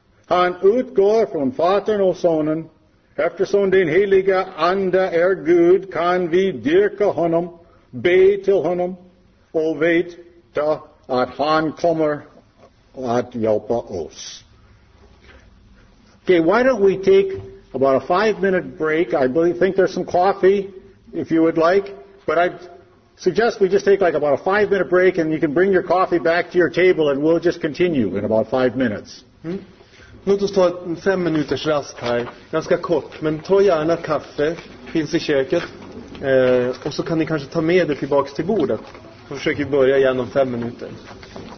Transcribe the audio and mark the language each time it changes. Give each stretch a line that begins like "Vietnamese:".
Swedish: Han utgår från Fadern och Sonen. Eftersom den helige ande är Gud kan vi dyrka honom, be till honom och veta att han kommer att hjälpa oss.
English: Okay, why don't we take about a 5-minute break? I believe, think there's some coffee, if you would like. But I suggest we just take like about a 5-minute break, and you can bring your coffee back to your table, and we'll just continue in about 5 minutes.
Swedish: Låt oss ta en 5 minuters rast här. Ganska kort, men ta gärna kaffe. Finns i köket. Och så kan ni kanske ta med det tillbaka till bordet. Då försöker vi börja igen om 5 minuter.